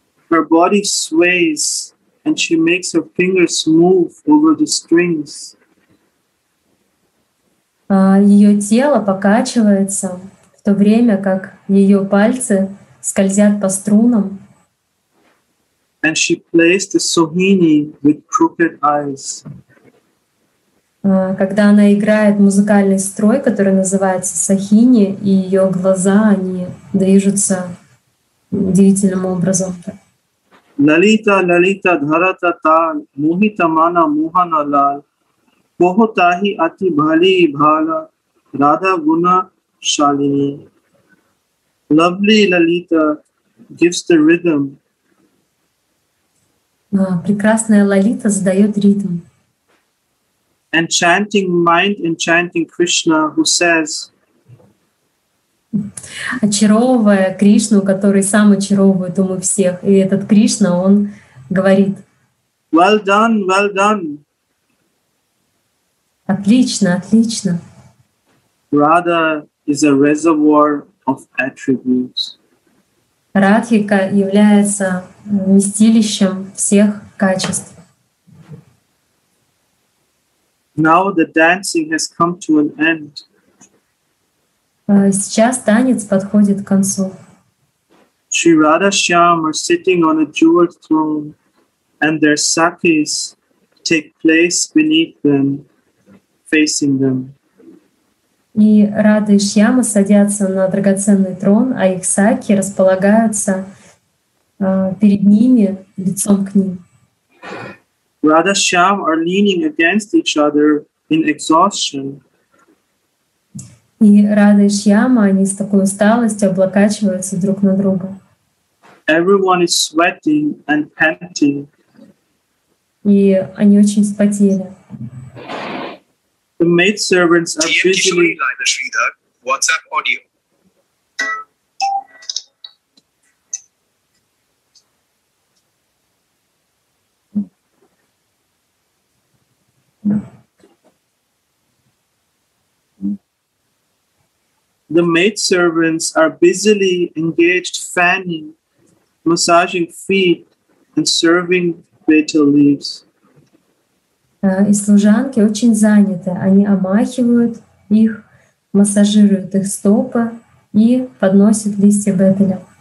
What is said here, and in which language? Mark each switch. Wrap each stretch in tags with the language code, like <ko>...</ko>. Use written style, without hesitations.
<en>Her body sways and she makes her fingers move over the strings.</en> <ru>Ее тело покачивается в то время, как ее пальцы скользят по струнам.</ru> <en>And she plays the sohini with crooked eyes.</en> <ru>Когда она играет музыкальный строй, который называется сохини, и ее глаза, они движутся удивительным образом.</ru> <sa>Лалита, Лалита, Дхарата, Тал, Мохита, Мана, Мохана, Лал, Похотахи, Ати, Бхали, Бхала, Радха, Гуна, Шалини.</sa> <en>Lovely Лалита gives the rhythm.</en> <ru>Прекрасная Лалита задает ритм.</ru> <en>Enchanting mind, enchanting Krishna, who says,</en> <ru>очаровывая Кришну, который сам очаровывает умы всех. И этот Кришна, он говорит:</ru> <en>Well done, well done.</en> <ru>Отлично, отлично.</ru> <en>Radha is a reservoir of attributes.</en> <ru>Радхика является вместилищем всех качеств.</ru> <en>Now the dancing has come to an end.</en> <ru>Сейчас танец подходит к концу.</ru> <en>Shri Radha Shyam are sitting on a jeweled throne, and their sakis take place beneath them, facing them.</en> <ru>И Рада и Шьяма садятся на драгоценный трон, а их саки располагаются перед ними, лицом к ним.</ru> <en>Radha Shyam are leaning against each other in exhaustion.</en> <ru>И Рада и Шьяма, они с такой усталостью облокачиваются друг на друга.</ru> <en>Everyone is sweating and panting.</en> <ru>И они очень вспотели.</ru> <en>The maid servants are busily. WhatsApp audio. The maid servants are busily engaged fanning, massaging feet, and serving betel leaves.</en> <ru>И служанки очень заняты. Они омахивают их, массажируют их стопы и подносят листья бетеля.</ru>